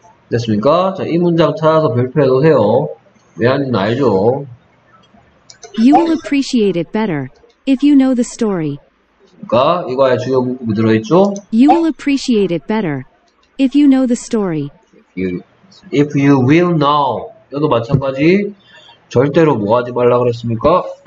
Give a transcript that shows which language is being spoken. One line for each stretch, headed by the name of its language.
Korean: 됐습니까? 자, 이 문장 찾아서 별표해 놓으세요. 왜 하는지 알죠?
English: You will appreciate it better if you know the story.
Korean: 그러니까 이거에 주요 문구 들어 있죠?
English: You will appreciate it better if you know the story. If you will know. 이것도 마찬가지.
Korean: 절대로 뭐 하지 말라 그랬습니까?